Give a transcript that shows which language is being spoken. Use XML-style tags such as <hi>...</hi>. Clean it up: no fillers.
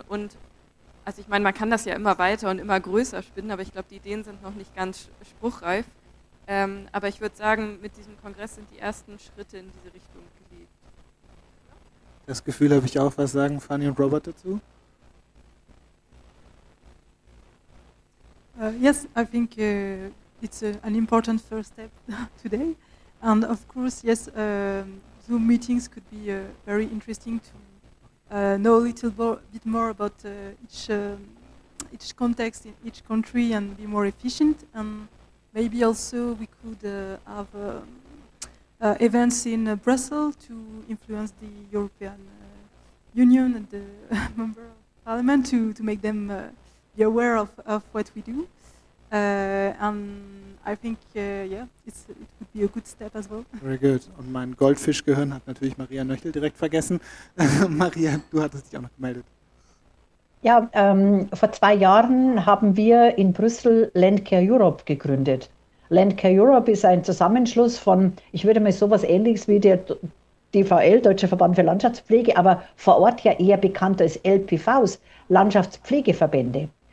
<de>Und also ich meine, man kann das ja immer weiter und immer größer spinnen, aber ich glaube, die Ideen sind noch nicht ganz spruchreif. Aber ich würde sagen, mit diesem Kongress sind die ersten Schritte in diese Richtung gelegt. Das Gefühl habe ich auch, was sagen Fanny und Robert dazu?</de> <en>Yes, I think it's an important first step today. And of course, yes, Zoom meetings could be very interesting to know a little bit more about each context in each country and be more efficient. Maybe also we could have events in Brussels to influence the European Union and the Member of Parliament to make them be aware of what we do. And I think, it would be a good step as well. Very good.</en> <de>Und mein Goldfischgehirn hat natürlich Maria Nöchel direkt vergessen. Maria, du hattest dich auch noch gemeldet. Ja, vor 2 Jahren haben wir in Brüssel Landcare Europe gegründet. Landcare Europe ist ein Zusammenschluss von, ich würde mal sowas ähnliches wie der DVL, Deutscher Verband für Landschaftspflege, aber vor Ort ja eher bekannt als LPVs, Landschaftspflegeverbände.</de>